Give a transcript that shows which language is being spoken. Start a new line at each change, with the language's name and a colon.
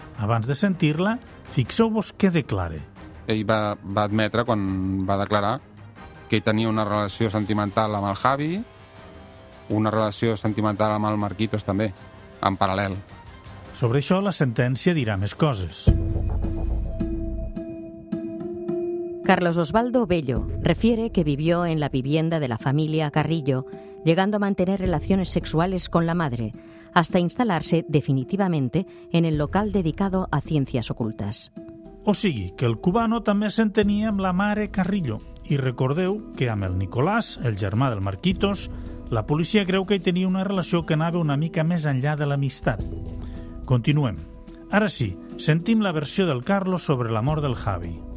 Catalan: Abans de sentir-la, fixeu-vos què declara. Ell va admetre, quan va declarar, que ell tenia una relació sentimental amb el Javi, una relació sentimental amb el Marquitos també, en paral·lel. Sobre això, la sentència dirà més coses.
Spanish: Carlos Osvaldo Bello refiere que vivió en la vivienda de la familia Carrillo, llegando a mantener relaciones sexuales con la madre, hasta instalarse definitivamente en el local dedicado a ciencias ocultas.
Catalan: O sigui, que el cubano també s'entenia amb la mare Carrillo. I recordeu que amb el Nicolás, el germà del Marquitos, la policia creu que hi tenia una relació que anava una mica més enllà de l'amistat. Continuem. Ara sí, sentim la versió del Carlos sobre la mort del Javi.